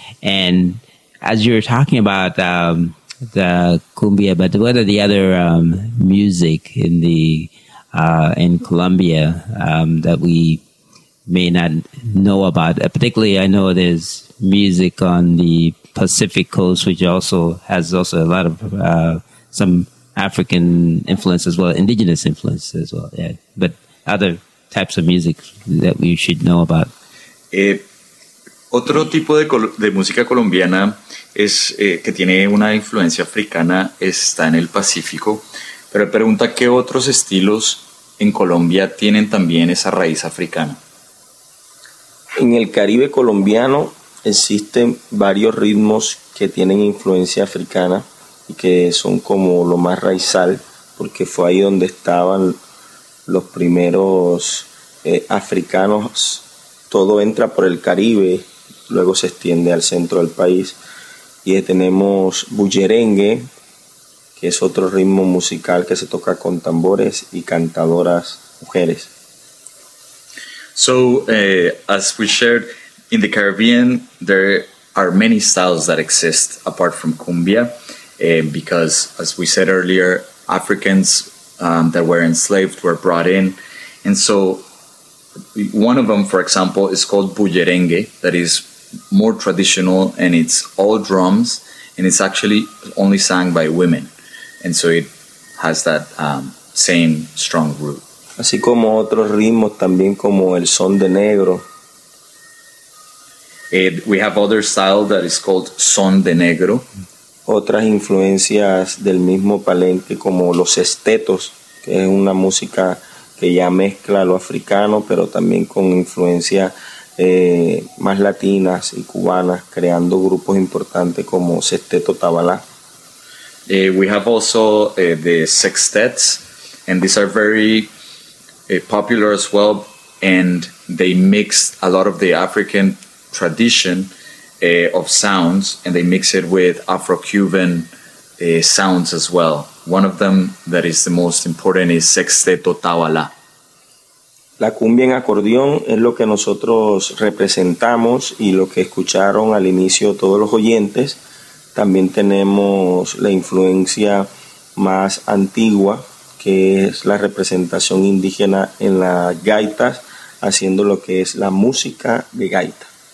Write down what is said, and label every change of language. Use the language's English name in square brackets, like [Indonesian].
[English] And as you're talking about the cumbia, but what are the other music in the in Colombia that we may not know about? Particularly, I know there's music on the Pacific Coast, which also has also a lot of some African influence as well, indigenous influence as well. Yeah, but other types of music that we should know about. [Spanish] Otro tipo de música colombiana es que tiene una influencia africana está en el Pacífico, pero pregunta qué otros estilos en Colombia tienen también esa raíz africana. En el Caribe colombiano existen varios ritmos que tienen influencia africana y que son como lo más raizal, porque fue ahí donde estaban los primeros africanos. Todo entra por el Caribe, luego se extiende al centro del país. Y tenemos bullerengue, que es otro ritmo musical que se toca con tambores y cantadoras mujeres. [English] So, as we shared, in the Caribbean, there are many styles that exist apart from cumbia, because, as we said earlier, Africans that were enslaved were brought in. And so one of them, for example, is called bullerengue, that is more traditional, and it's all drums, and it's actually only sung by women. And so it has that same strong root. [Spanish] Así como otros ritmos también como el son de negro. [English] We have other style that is called son de negro. [Spanish] Otras influencias del mismo palenque como los estetos, que es una música que ya mezcla lo africano, pero también con influencia más latinas y cubanas, creando grupos importantes como Sexteto Tabalá. [English] We have also the sextets, and these are very popular as well, and they mix a lot of the African tradition of sounds, and they mix it with Afro-Cuban sounds as well. One of them that is the most important is Sexteto Tabalá. [Spanish] La cumbia en acordeón es lo que nosotros representamos y lo que escucharon al inicio todos los oyentes. También tenemos la influencia más antigua, que es la representación indígena en las gaitas, haciendo lo que es la música de gaita.